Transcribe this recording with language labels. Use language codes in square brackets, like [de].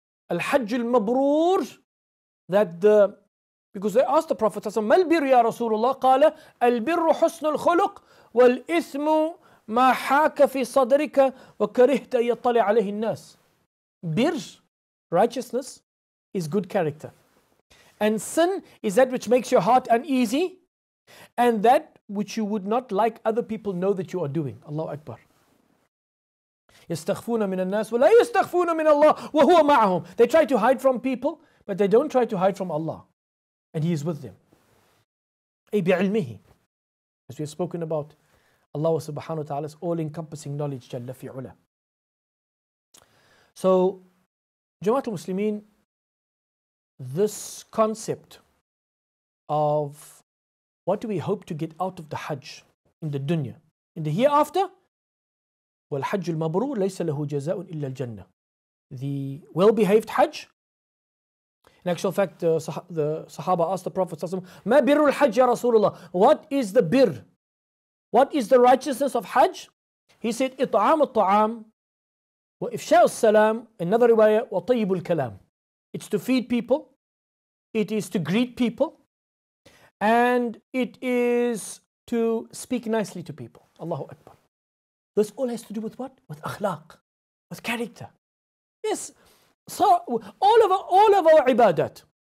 [ar] Al-Hajj Al-Mabroor, [en] because they asked the Prophet [ar] ﷺ, مَا الْبِرْ يَا رَسُولُ اللَّهِ قَالَ أَلْبِرُّ حُسْنُ الْخُلُقِ وَالْإِثْمُ مَا حَاكَ فِي صَدْرِكَ وَكَرِهْتَ يَطَّلِعَ عَلَيْهِ النَّاسِ. [en] Birr, righteousness, is good character. And sin is that which makes your heart uneasy, and that which you would not like other people know that you are doing. [ar] Allahu Akbar. يَسْتَخْفُونَ مِنَ النَّاسِ وَلَا يَسْتَخْفُونَ مِنَ اللَّهِ وَهُوَ مَعَهُمْ. [en] They try to hide from people, but they don't try to hide from Allah. And He is with them. [ar] أي بِعِلْمِهِ. [en] As we have spoken about, Allah subhanahu wa ta'ala's all-encompassing knowledge, [ar] جَلَّ فِي عُلَى. [en] So, Jamaat al-Muslimin, this concept of what do we hope to get out of the Hajj in the dunya? In the hereafter, [ar] والحج المبرور ليس له جزاء إلا الجنة. [en] The well-behaved Hajj. In actual fact, the Sahaba asked the Prophet ﷺ, [ar] ما بر الحج يا رسول الله? [en] What is the birr? What is the righteousness of Hajj? He said, [ar] إطعام الطعام وإفشاء السلام. [en] Another riwayah, [ar] وطيب الكلام. [en] It's to feed people. It is to greet people. And it is to speak nicely to people. Allahu Akbar. This all has to do with what? With akhlaq, with character. Yes, so all of our ibadat.